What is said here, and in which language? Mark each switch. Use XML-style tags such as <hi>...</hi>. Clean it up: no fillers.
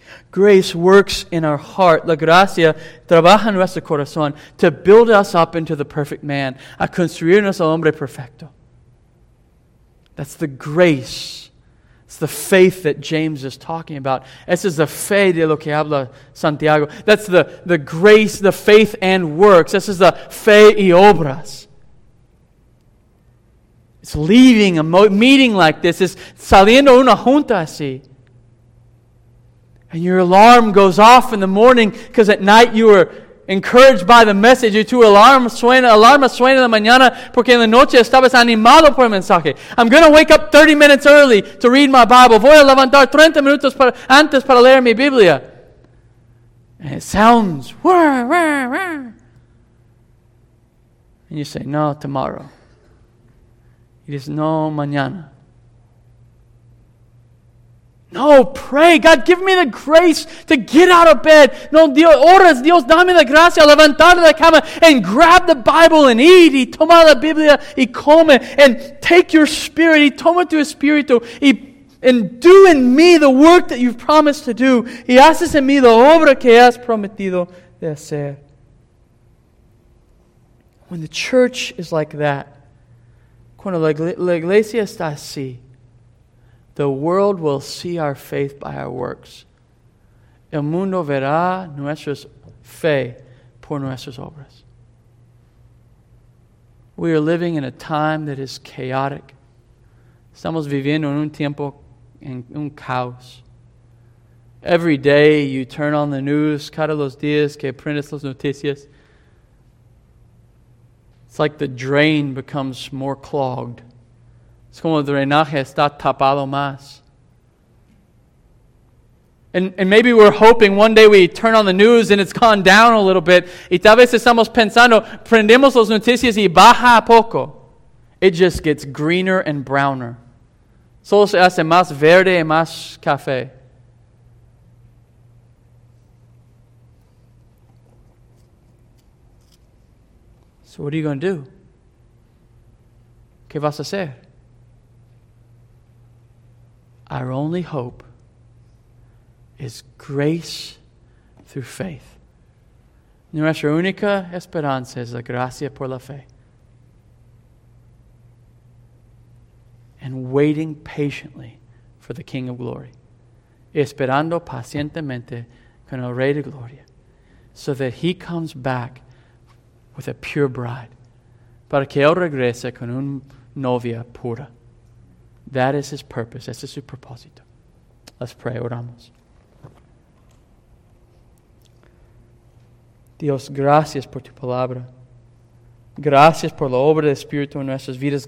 <en>Grace works in our heart.</en> <es>La gracia trabaja en nuestro corazón</es> <en>to build us up into the perfect man.</en> <es>A construirnos al hombre perfecto.</es> <en>That's the grace. It's the faith that James is talking about.</en> <es>Esa es la fe de lo que habla Santiago.</es> <en>That's the grace, the faith and works.</en> <es>Esa es la fe y obras.</es> <en>It's leaving a meeting like this.</en> <es>It's saliendo una junta así.</es> <en>And your alarm goes off in the morning because at night you were encouraged by the message. Your two alarms</en> <es>suena en la mañana porque en la noche estabas animado por el mensaje.</es> <en>I'm going to wake up 30 minutes early to read my Bible.</en> <es>Voy a levantar 30 minutos antes para leer mi Biblia.</es> <en>And it sounds, wah, wah, wah. And you say, no, tomorrow. It is no mañana. No, pray. God, give me the grace to get out of bed.</en> <es>No, Dios, oras, Dios, dame la gracia, levantar la cama,</es> <en>and grab the Bible and eat,</en> <es>y toma la Biblia, y come,</es> <en>and take your spirit,</en> <es>y toma tu espíritu,</es> <en>and do in me the work that you've promised to do,</en> <es>y haces en mí la obra que has prometido de hacer.</es> <en>When the church is like that,</en> <es>cuando la iglesia está así,</es> <en>the world will see our faith by our works.</en> <es>El mundo verá nuestra fe por nuestras obras.</es> <en>We are living in a time that is chaotic.</en> <es>Estamos viviendo en un tiempo en un caos.</es> <en>Every day you turn on the news,</en> <es>cada los días que prendes las noticias,</es> <en>it's like the drain becomes more clogged.</en> <es>Es como el drenaje está tapado más.</es> <en>And maybe we're hoping one day we turn on the news and it's gone down a little bit.</en> <es>Y tal vez estamos pensando, prendemos las noticias y baja a poco.</es> <en>It just gets greener and browner.</en> <es>Solo se hace más verde y más café.</es> <en>So what are you going to do?</en> <es>¿Qué vas a hacer?</es> <en>Our only hope is grace through faith.</en> <es>Nuestra única esperanza es la gracia por la fe.</es> <en>And waiting patiently for the King of Glory.</en> <es>Esperando pacientemente con el Rey de Gloria.</es> <en>So that He comes back with a pure bride.</en> <es>Para que Él regrese con una novia pura.</es> <en>That is His purpose.</en> <es>Ese es su propósito.</es> <en>Let's pray.</en> <es>Oramos. Dios, gracias por tu palabra. Gracias por la obra del Espíritu en nuestras vidas.</es>